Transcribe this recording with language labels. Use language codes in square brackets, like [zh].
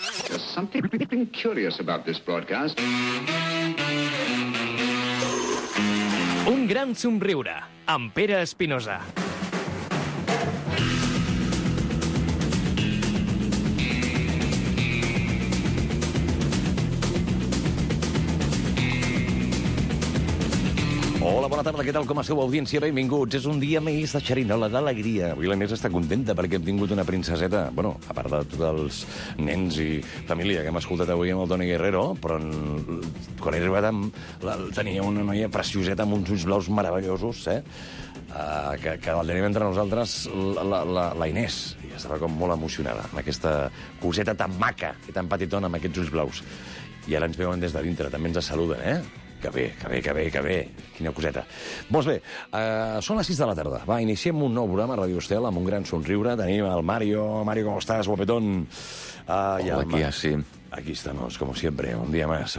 [en] There's something really curious about this broadcast. [ca] Un gran somriure amb Pere Espinosa. Hola, bona tarda, què tal, com esteu, audiència? Benvinguts. És un dia més de xerinola, d'alegria. Avui la Inés està contenta perquè hem tingut una princeseta, bueno, a part de tots els nens i família que hem escoltat avui amb el Toni Guerrero, però quan era arribat tenia una noia precioseta amb uns ulls blaus meravellosos, que la tenim entre nosaltres, la Inés, i estava com molt emocionada amb aquesta coseta tan maca i tan petitona amb aquests ulls blaus. I ara ens veuen des de dintre, també ens saluden, eh? Que bé. Quina coseta. Molt bé, són les 6 de la tarda. Va, iniciem un nou programa a Ràdio Estel amb un gran somriure. Tenim el Mario. Mario, com estàs, guapetón? [es] Aquí estamos, como siempre, un día más.